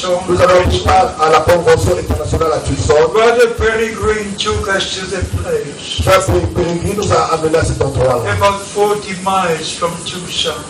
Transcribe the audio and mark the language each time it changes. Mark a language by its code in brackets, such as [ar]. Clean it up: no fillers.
[fr] nous avons pris part à la convention internationale à Tucson. [en] Brother Peregrine took us to the place. [fr] Peregrine nous a amené à cet endroit. [en] About 40 miles from Tucson.